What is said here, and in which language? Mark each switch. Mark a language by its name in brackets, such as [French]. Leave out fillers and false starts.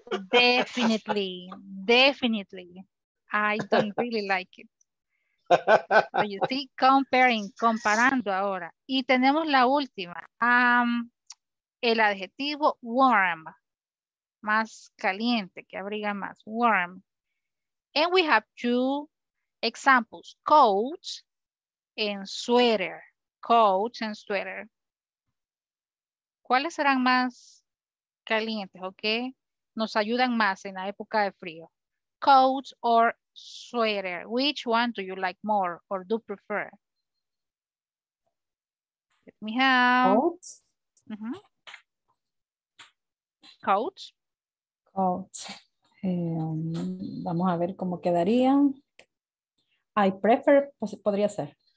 [English] Definitely. Definitely. I don't really like it. But you see, [Spanish] comparando ahora. Y tenemos la última. El adjetivo warm, más caliente, que abriga más, warm. [English] And we have two examples, coat and sweater, coat and sweater. [Spanish] ¿Cuáles serán más calientes, ok? Nos ayudan más en la época de frío. [English] Coat or sweater, which one do you like more or do prefer? Let me have. Coat. Mm-hmm. Coat. [Spanish] Vamos a ver cómo quedarían. [English] I prefer, [Spanish] pues, podría ser.